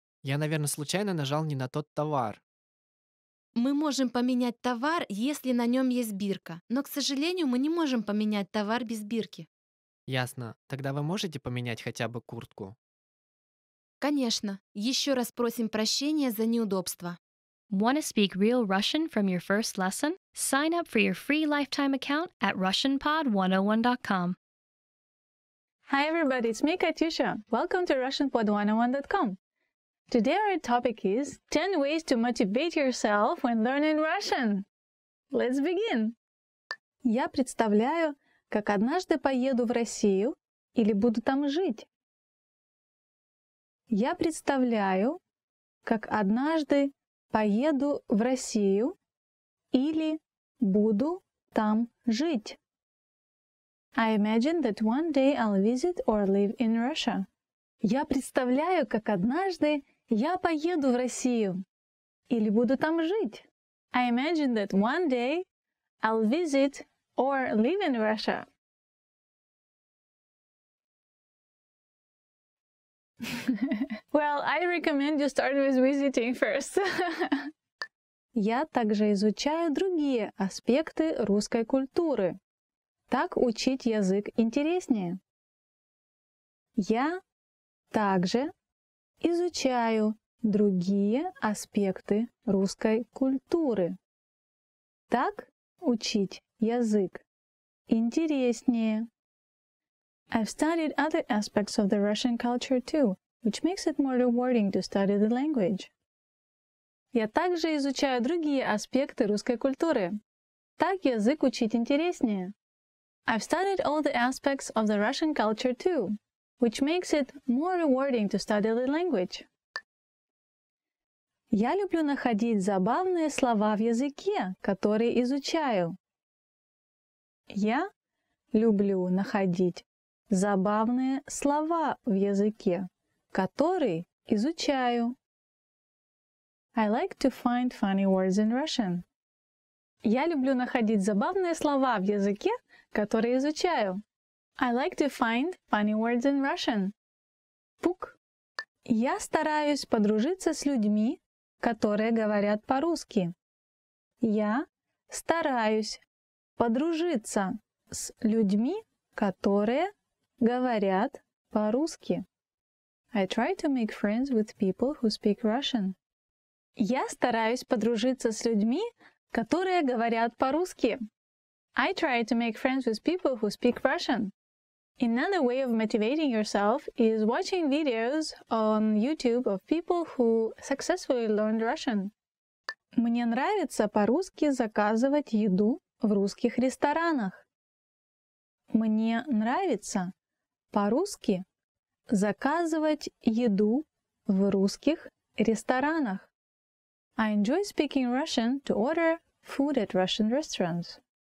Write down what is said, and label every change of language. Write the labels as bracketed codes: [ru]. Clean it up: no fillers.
[ru] Я, наверное, случайно нажал не на тот товар. Мы можем поменять товар, если на нем есть бирка. Но, к сожалению, мы не можем поменять товар без бирки. Ясно. Тогда вы можете поменять хотя бы куртку? Конечно. Еще раз просим прощения за неудобства. [en] Want to speak real Russian from your first lesson? Sign up for your free lifetime account at RussianPod101.com. Hi, everybody. It's me, Katyusha. Welcome to RussianPod101.com. Today, our topic is 10 ways to motivate yourself when learning Russian. Let's begin. [ru] Я представляю, как однажды поеду в Россию или буду там жить. Я представляю, как однажды поеду в Россию или буду там жить. [en] I imagine that one day I'll visit or live in Russia. [ru] Я представляю, как однажды я поеду в Россию или буду там жить. [en] I imagine that one day I'll visit or live in Russia. Well, I recommend you start with visiting first. [ru] Я также изучаю другие аспекты русской культуры. Так учить язык интереснее. Я также изучаю другие аспекты русской культуры. Так учить язык интереснее. [en] I've studied other aspects of the Russian culture too, which makes it more rewarding to study the language. [ru] Я также изучаю другие аспекты русской культуры. Так язык учить интереснее. [en] I've studied all the aspects of the Russian culture too, which makes it more rewarding to study the language. [ru] Я люблю находить забавные слова в языке, которые изучаю. Я люблю находить забавные слова в языке, которые изучаю. [en] I like to find funny words in Russian. [ru] Я люблю находить забавные слова в языке, которые изучаю. [en] I like to find funny words in Russian. [ru] Пук. Я стараюсь подружиться с людьми, которые говорят по-русски. Я стараюсь подружиться с людьми, которые говорят по-русски. [en] I try to make friends with people who speak Russian. [ru] Я стараюсь подружиться с людьми, которые говорят по-русски. [en] I try to make friends with people who speak Russian. Another way of motivating yourself is watching videos on YouTube of people who successfully learned Russian. [ru] Мне нравится по-русски заказывать еду в русских ресторанах. Мне нравится по-русски заказывать еду в русских ресторанах. [en] I enjoy speaking Russian to order food at Russian restaurants.